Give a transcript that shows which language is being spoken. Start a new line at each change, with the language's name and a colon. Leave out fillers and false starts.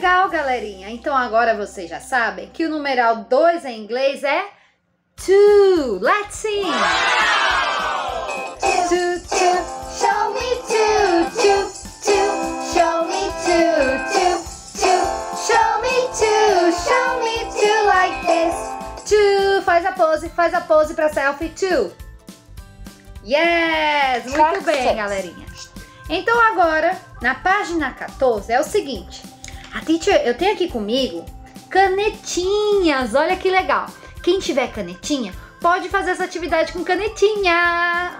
Portuguese: Galerinha, então agora vocês já sabem que o numeral 2 em inglês é two.
English: Let's sing! Wow! Two, two, show me two, two, two, show me two, two, two, show me two, show me two like this.
Portuguese: Two, faz a pose pra selfie, two. Yes, muito bem, galerinha. Então agora, na página 14, é o seguinte. A teacher, eu tenho aqui comigo canetinhas, olha que legal. Quem tiver canetinha, pode fazer essa atividade com canetinha.